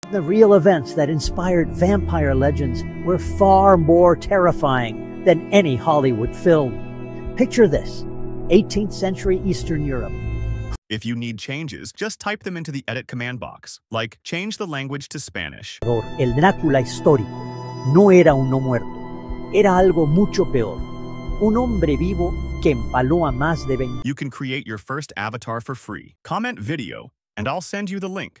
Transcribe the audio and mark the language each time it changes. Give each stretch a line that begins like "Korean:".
English: The real events that inspired vampire legends were far more terrifying than any Hollywood film. Picture this. 18th century Eastern Europe. If you need changes, just type them into the edit command box, like change the language to Spanish.
Spanish: El Drácula histórico no era un no muerto, era algo mucho peor. Un hombre vivo que empaló a más de 20.
English: You can create your first avatar for free. Comment video, and I'll send you the link.